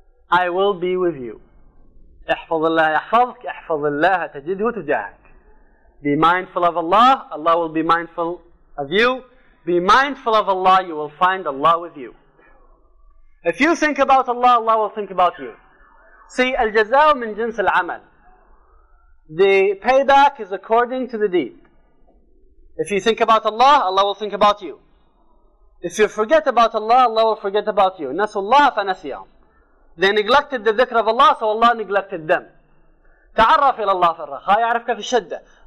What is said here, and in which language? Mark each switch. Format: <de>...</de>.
<en>I will be with you.</en> <ar>احفظ الله يحفظك احفظ الله تجده تجاهك.</ar> <en>Be mindful of Allah. Allah will be mindful of you. Be mindful of Allah. You will find Allah with you. If you think about Allah, Allah will think about you.</en> <ar>See, الجزاء من جنس العمل.</ar> <en>The payback is according to the deed. If you think about Allah, Allah will think about you. If you forget about Allah, Allah will forget about you.</en> <ar>نَسُوا اللَّهَ فَنَسِيَهُمْ.</ar> <en>They neglected the dhikr of Allah, so Allah neglected them.</en> <ar>تَعَرَّفْ إِلَى اللَّهِ فَرَّخَ يَعْرِفْكَ فِي الشَّدَّةِ.</ar>